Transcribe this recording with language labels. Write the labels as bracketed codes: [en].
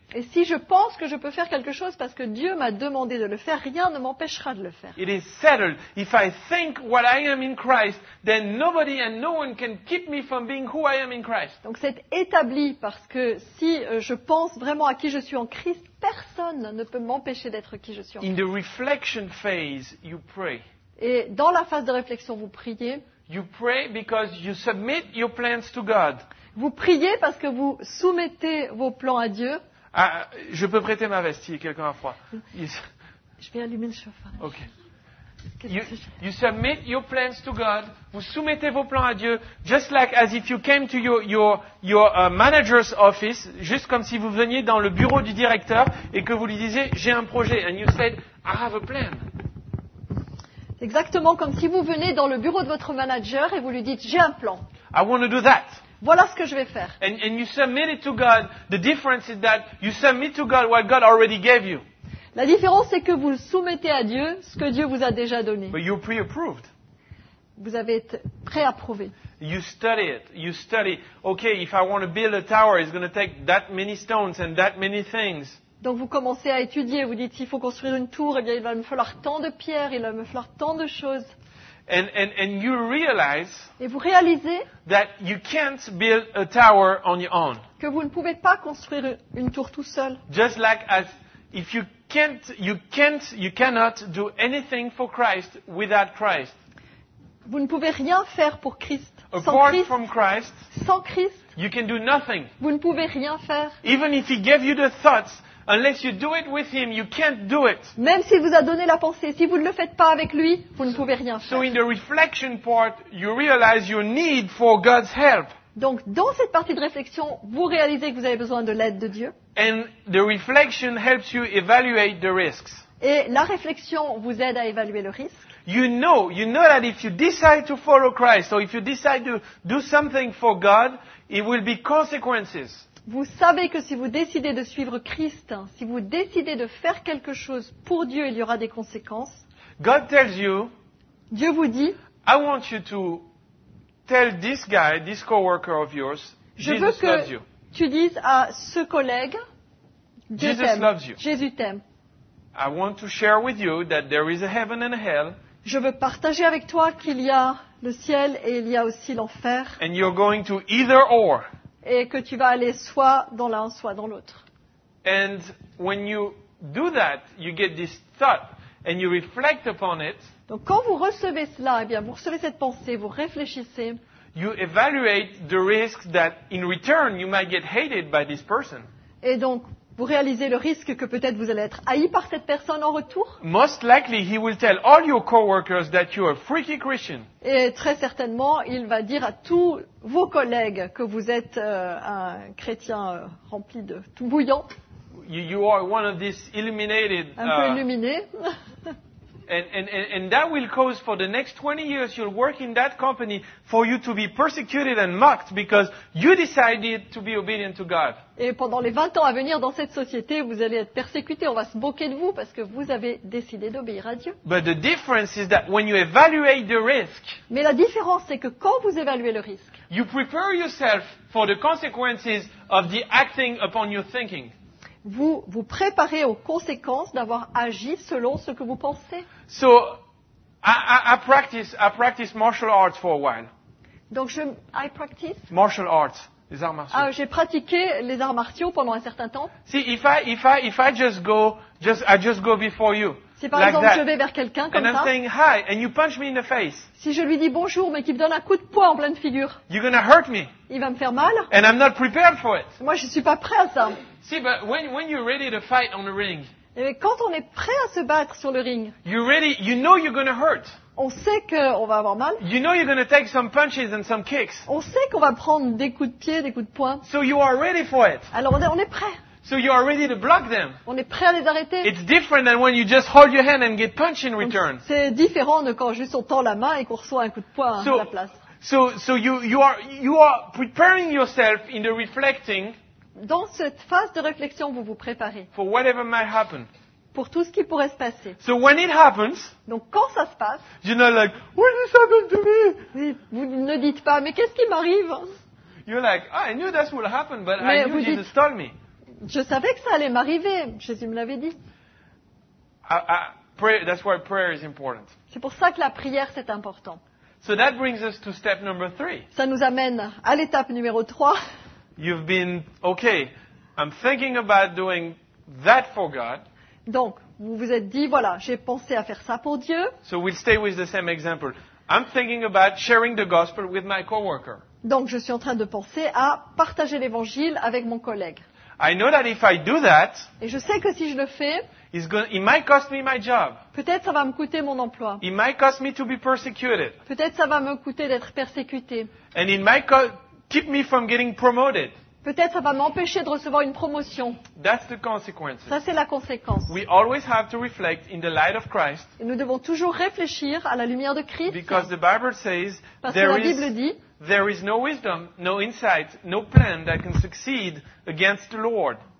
[fr] Et si je pense que je peux faire quelque chose parce que Dieu m'a demandé de le faire, rien ne m'empêchera de le faire. [en] It is settled. If I think what I am in Christ, then nobody and no one can keep me from being who I am in Christ. [fr] Donc c'est établi parce que si je pense vraiment à qui je suis en Christ, personne ne peut m'empêcher d'être qui je suis en Christ. [en] In the reflection phase, you pray. [fr] Et dans la phase de réflexion, vous priez. [en] You pray because you submit your plans to God. [fr] Vous priez parce que vous soumettez vos plans à Dieu. Ah, je peux prêter ma veste, il y a quelqu'un à froid. [en] Yes. [fr] Je vais allumer le chauffage. [en] Ok. You submit your plans to God. [fr] Vous soumettez vos plans à Dieu, [en] just like as if you came to your manager's office, [fr] juste comme si vous veniez dans le bureau du directeur et que vous lui disiez, j'ai un projet, [en] and you said, I have a plan. [fr] Exactement comme si vous venez dans le bureau de votre manager et vous lui dites, j'ai un plan. [en] I want to do that. [fr] Voilà ce que je vais faire. [en] And you submit it to God. The difference is that you submit to God what God already gave you. [fr] La différence c'est que vous soumettez à Dieu ce que Dieu vous a déjà donné. [en] But you're pre-approved. [fr] Vous avez été pré-approuvé. [en] You study it. You study. Okay, if I want to build a tower, it's going to take that many stones and that many things. [fr] Donc vous commencez à étudier. Vous dites, s'il faut construire une tour, eh bien il va me falloir tant de pierres, il va me falloir tant de choses. [en] And you realize [fr] et vous réalisez [en] that you can't build a tower on your own. [fr] Que vous ne pouvez pas construire une tour tout seul. [en] Just like as if you cannot do anything for Christ without Christ. [fr] Vous ne pouvez rien faire pour Christ [en] apart [fr] sans Christ, [en] from Christ. [fr] Sans Christ, [en] you can do nothing. [fr] Vous ne pouvez rien faire. [en] Even if he gave you the thoughts, unless you do it with him, you can't do it. [fr] Même s'il vous a donné la pensée, si vous ne le faites pas avec lui, vous ne pouvez rien faire. [en] So in the reflection part, you realize your need for God's help. [fr] Donc dans cette partie de réflexion, vous réalisez que vous avez besoin de l'aide de Dieu. [en] And the reflection helps you evaluate the risks. [fr] Et la réflexion vous aide à évaluer le risque. [en] You know that if you decide to follow Christ or if you decide to do something for God, it will be consequences. [fr] Vous savez que si vous décidez de suivre Christ, si vous décidez de faire quelque chose pour Dieu, il y aura des conséquences. [en] God tells you, [fr] Dieu vous dit, [en] I want you to tell this guy, this coworker of yours, Jesus loves you. [fr] Je veux que tu dises à ce collègue, [en] Jesus loves you. [fr] Jésus t'aime. [en] I want to share with you that there is a heaven and a hell. [fr] Je veux partager avec toi qu'il y a le ciel et il y a aussi l'enfer. [en] And you're going to either or. [fr] Et que tu vas aller soit dans l'un, soit dans l'autre. [en] And when you do that, you get this thought and you reflect upon it. [fr] Donc quand vous recevez cela, eh bien, vous recevez cette pensée, vous réfléchissez. [en] You evaluate the risk that in return you might get hated by this person. [fr] Et donc vous réalisez le risque que peut-être vous allez être haï par cette personne en retour. [en] Most likely he will tell all your coworkers that you are a freaky Christian. [fr] Et très certainement, il va dire à tous vos collègues que vous êtes un chrétien rempli de tout bouillant. [en] You are one of these illuminated. [fr] Un peu illuminé. [en] And that will cause for the next 20 years you'll work in that company for you to be persecuted and mocked because you decided to be obedient to God. [fr] Et pendant les 20 ans à venir dans cette société, vous allez être persécuté, on va se moquer de vous parce que vous avez décidé d'obéir à Dieu. [en] But the difference is that when you evaluate the risk, [fr] mais la différence c'est que quand vous évaluez le risque, [en] you prepare yourself for the consequences of the acting upon your thinking. [fr] Vous vous préparez aux conséquences d'avoir agi selon ce que vous pensez. [en] So, I practice martial arts for a while. [fr] Donc je [en] I practice martial arts, [fr] les arts martiaux. Ah, j'ai pratiqué les arts martiaux pendant un certain temps. [en] See, if I just go before you. [fr] Si par exemple je vais vers quelqu'un comme ça. [en] And I'm saying hi, and you punch me in the face. [fr] Si je lui dis bonjour, mais qu'il me donne un coup de poing en pleine figure. [en] You're gonna hurt me. [fr] Il va me faire mal. [en] And I'm not prepared for it. [fr] Moi, je suis pas prêt à ça. [en] See, but when you're ready to fight on the ring. [fr] Et quand on est prêt à se battre sur le ring. [en] You're ready. You know you're gonna hurt. [fr] On sait qu'on va avoir mal. [en] You know you're gonna take some punches and some kicks. [fr] On sait qu'on va prendre des coups de pied, des coups de poing. [en] So you are ready for it. [fr] Alors on est prêt. [en] So you are ready to block them. [fr] On est prêt à les arrêter. [en] It's different than when you just hold your hand and get punched in return. [fr] Donc, c'est différent de quand juste on tend la main et qu'on reçoit un coup de poing à la place. [en] So you are preparing yourself in the reflecting. [fr] Dans cette phase de réflexion, vous vous préparez. [en] For whatever might happen. [fr] Pour tout ce qui pourrait se passer. [en] So when it happens. [fr] Donc quand ça se passe. [en] You're not like, what is happening to me? [fr] Vous ne dites pas, mais qu'est-ce qui m'arrive? [en] You're like, oh, I knew that would happen, but I knew Jesus told me. [fr] je savais que ça allait m'arriver. Jésus me l'avait dit. [en] That's why prayer is important. [fr] C'est pour ça que la prière, c'est important. [en] So that brings us to step number three. [fr] Ça nous amène à l'étape numéro 3. [en] You've been, okay, I'm thinking about doing that for God. [fr] Donc, vous vous êtes dit, voilà, j'ai pensé à faire ça pour Dieu. [en] So we'll stay with the same example. I'm thinking about sharing the gospel with my coworker. [fr] Donc, je suis en train de penser à partager l'évangile avec mon collègue. [en] I know that if I do that, [fr] et je sais que si je le fais, [en] it might cost me my job. [fr] Peut-être ça va me coûter mon emploi. [en] It might cost me to be persecuted. [fr] Peut-être ça va me coûter d'être persécuté. [en] And it might keep me from getting promoted. [fr] Peut-être ça va m'empêcher de recevoir une promotion. [en] That's the consequences. [fr] Ça, c'est la conséquence. [en] We always have to reflect in the light of Christ. [fr] Et nous devons toujours réfléchir à la lumière de Christ. [en] Because the Bible says, [fr] parce que la Bible dit, [en] there is no wisdom, no insight, no plan that can succeed against the Lord.